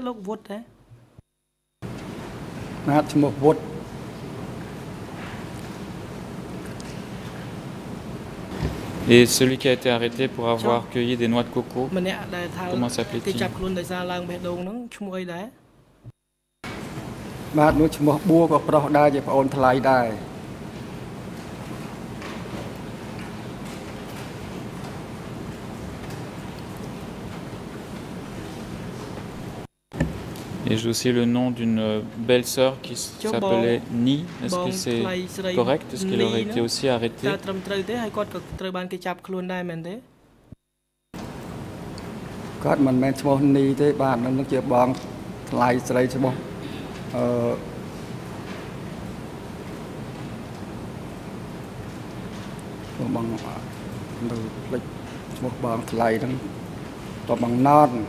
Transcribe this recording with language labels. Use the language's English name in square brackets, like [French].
[French] Vout. Je me suis dit que c'était Vout. Et celui qui a été arrêté pour avoir cueilli des noix de coco, comment s'appelait-il? [Khmer] បាទនោះឈ្មោះបួក៏ប្រុសដែរជាប្អូនថ្លៃដែរ [French] et j'ai aussi le nom d'une belle sœur qui s'appelait Ni. Est-ce que c'est correct? Est-ce qu'elle aurait été aussi arrêtée? [Khmer] តើត្រឹមត្រូវទេហើយគាត់ក៏ត្រូវបានគេចាប់ខ្លួនដែរមែនទេ គាត់មិនមែនឈ្មោះនីទេបាទនោះជាបងថ្លៃស្រីឈ្មោះបងនៅផ្លិចឈ្មោះបងថ្លៃហ្នឹងតបងណត